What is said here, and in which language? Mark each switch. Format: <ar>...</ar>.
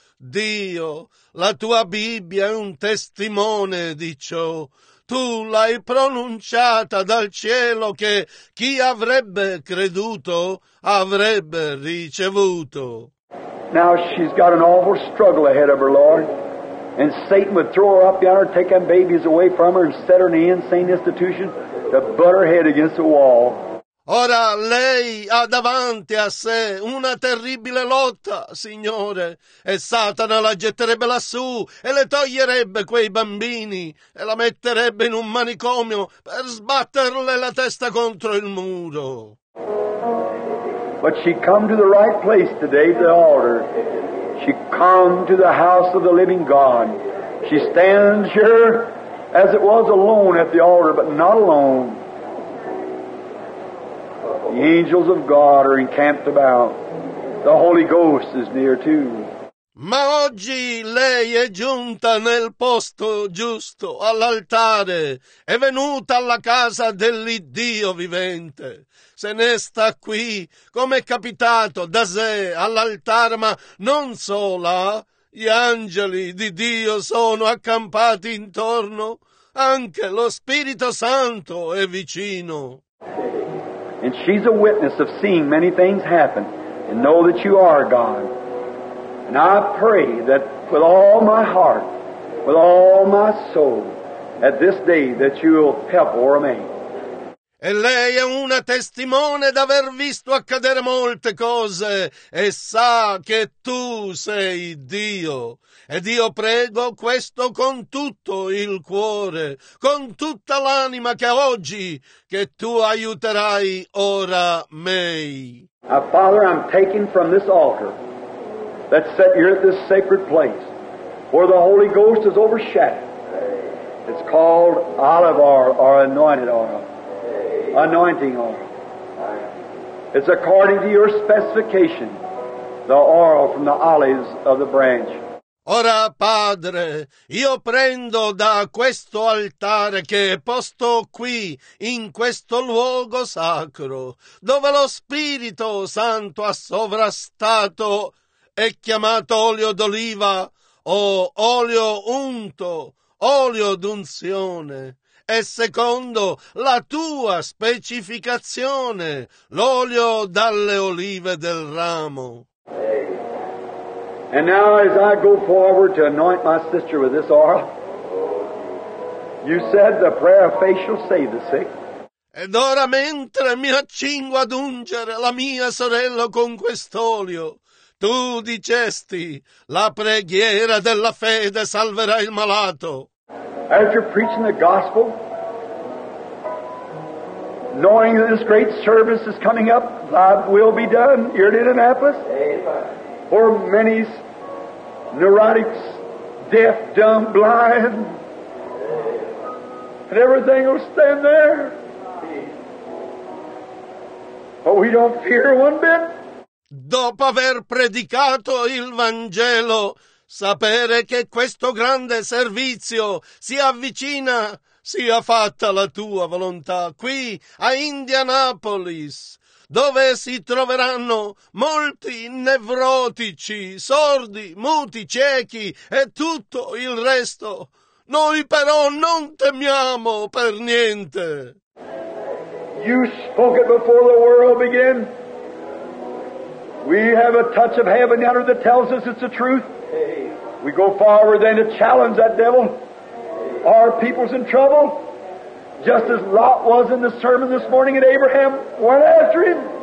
<it>Dio, la tua Bibbia è un testimone di ciò. Tu l'hai pronunciata dal cielo che chi avrebbe creduto avrebbe ricevuto.</it> <en>Now she's got an awful struggle ahead of her, Lord. And Satan would throw her up yonder, take them babies away from her and set her in the insane institution. To butt her head against the wall.</en> <it>Ora lei ha davanti a sé una terribile lotta, Signore, e Satana la getterebbe lassù e le toglierebbe quei bambini e la metterebbe in un manicomio per sbatterle la testa contro il muro.</it> <en>But she come to the right place today, the altar. She come to the house of the living God. She stands here. As it was alone at the altar, but not alone. The angels of God are encamped about. The Holy Ghost is near too.</en> <it>Ma oggi lei è giunta nel posto giusto, all'altare. È venuta alla casa dell'Iddio vivente. Se ne sta qui, come è capitato da sé, all'altare, ma non sola. Gli angeli di Dio sono accampati intorno. Anche lo Spirito Santo è vicino.</it> <en>And she's a witness of seeing many things happen and know that you are God. And I pray that with all my heart, with all my soul, at this day that you will help Ora May.</en> <it>E lei è una testimone d'aver visto accadere molte cose e sa che tu sei Dio. Ed io prego questo con tutto il cuore, con tutta l'anima che oggi che tu aiuterai ora mei.</it> <en>Now, Father, I'm taking from this altar that's set here at this sacred place where the Holy Ghost is overshadowed. It's called olive oil or anointed oil. Anointing oil. It's according to your specification, the oil from the olives of the branch.</en> <it>Ora, Padre, io prendo da questo altare che è posto qui, in questo luogo sacro, dove lo Spirito Santo ha sovrastato, è chiamato olio d'oliva o olio unto, olio d'unzione. E secondo la tua specificazione, l'olio dalle olive del ramo.</it> <en>And now as I go forward to anoint my sister with this oil, you said the prayer of faith shall save the sick.</en> <it>Ed ora mentre mi accingo ad ungere la mia sorella con quest'olio, tu dicesti, la preghiera della fede salverà il malato.</it> <en>As you're preaching the gospel, knowing that this great service is coming up, thy will be done here in Annapolis. For many neurotics, deaf, dumb, blind, and everything will stand there. But we don't fear one bit.</en> <it>Dopo aver predicato il Vangelo, sapere che questo grande servizio si avvicina, sia fatta la tua volontà qui a Indianapolis, dove si troveranno molti nevrotici, sordi, muti, ciechi e tutto il resto. Noi però non temiamo per niente.</it> <en>You spoke it before the world began. We have a touch of heaven under that tells us it's the truth. We go forward then to challenge that devil. Our people's in trouble, just as Lot was in the sermon this morning and Abraham went after him.</en>